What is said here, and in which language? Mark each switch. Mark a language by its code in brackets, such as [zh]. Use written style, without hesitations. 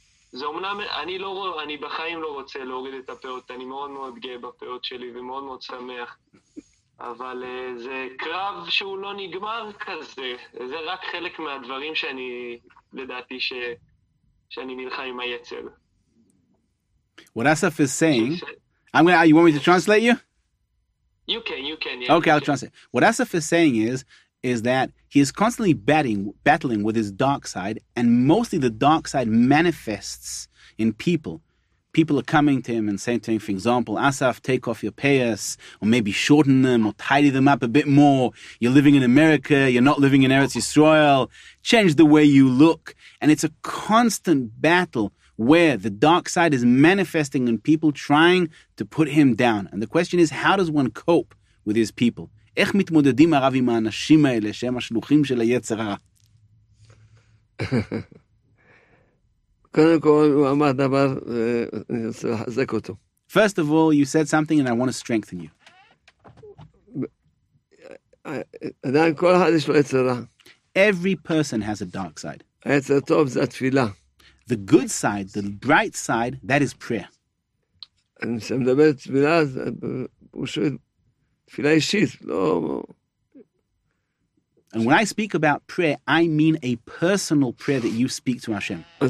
[he] זה אמנם, אני בחיים לא רוצה להוריד את הפאות, אני מאוד מאוד גאה בפאות שלי ומאוד מאוד שמח, אבל זה קרב שהוא לא נגמר כזה, זה רק חלק מהדברים שאני, לדעתי, שאני נלחם עם היצר. [en] What Asaf is saying, I'm gonna, you want me to translate you? You can, yeah. Okay, I'll translate. What Asaf is saying is that he is constantly battling with his dark side, and mostly the dark side manifests in people. People are coming to him and saying to him, for example, Asaf, take off your payas, or maybe shorten them, or tidy them up a bit more. You're living in America, you're not living in Eretz Yisrael. Change the way you look. And it's a constant battle where the dark side is manifesting in people trying to put him down. And the question is, how does one cope with his people? [he] איך מתמודדים הרב עם האנשים האלה שהם השלוחים של היצר הרע? קודם כל, הוא אמר דבר, אני רוצה לחזק אותו. [en] First of all, you said something and I want to strengthen you. [he] עדיין כל אחד יש לו יצר רע. [en] Every person has a dark side. [he] היצר טוב זה התפילה. [en] The good side, the bright side, that is prayer. [he] אני מדבר תפילה, הוא שואל, תפילה אישית, לא... [en] And when I speak about prayer, I mean a personal prayer that you speak to Hashem.